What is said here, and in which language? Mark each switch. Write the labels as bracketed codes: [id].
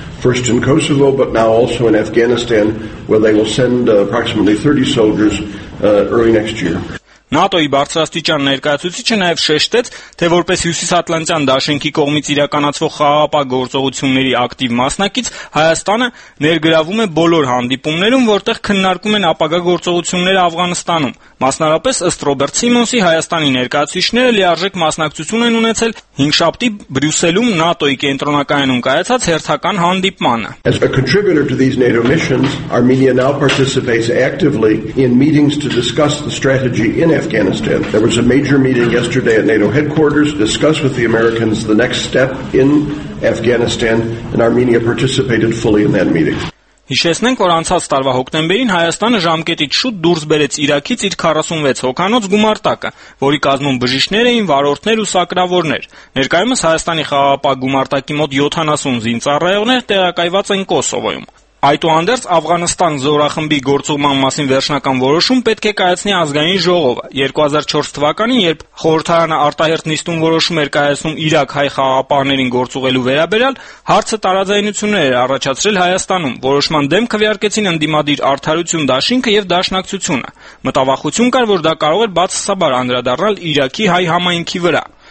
[en] First in Kosovo, but now also in Afghanistan, where they will send approximately 30 soldiers early next year. [hy] ՆԱՏՕ-ի բարձրաստիճան ներկայացուցիչը նաև շեշտեց, թե որպես հյուսիսատլանտյան դաշինքի կողմից իրականացվող խաղաղապահ գործողությունների ակտիվ մասնակից, Հայաստանը ներգրավում է բոլոր հանդիպումներում, որտեղ քննարկում են ապագա գործողությունները Աֆղանստանում։ Մասնարապես, ըստ Ռոբերտ Սիմոնսի, Հայաստանի ներկայացուցիչները լիարժեք մասնակցություն են ունեցել 5-7 Բրյուսելում ՆԱՏՕ-ի կենտրոնակայանում կայացած հերթական հանդիպմանը։ [en] As a contributor to these NATO missions, Armenia now participates actively in meetings to discuss the strategy in Afghanistan. There was a major meeting yesterday at NATO headquarters to discuss with the Americans the next step in Afghanistan, and Armenia participated fully in that meeting. [hy] Հիշեցնենք, որ անցած տարվա հոկտեմբերին Հայաստանը ժամկետից շուտ դուրս բերեց Իրաքից իր 46 հոգանոց գումարտակը, որի կազմում բժիշկներ էին, վարորդներ ու սակրավորներ։ Ներկայումս Հայաստանի խաղաղապահ գումարտակի մոտ 70 զինծառայողներ տեղակայված են Կոսովոյում։ Այդուհանդերձ, Աֆղանստան զորախմբի գործողման մասին վերջնական որոշում պետք է կայացնի ազգային ժողովը։ 2004 թվականին, երբ խորհրդարանը արտահերթ նիստում որոշում էր կայացնում Իրաք հայ խաղապահներին գործուղելու վերաբերյալ, հարցը տարաձայնություններ էր առաջացրել Հայաստանում։ Որոշման դեմ քվեարկեցին ընդդիմադիր արդարություն դաշինքը և դաշնակցությունը։ Մտավախություն կար, որ դա կարող էր բացասաբար անդրադառնալ Իրաքի հայ համայնքի վրա։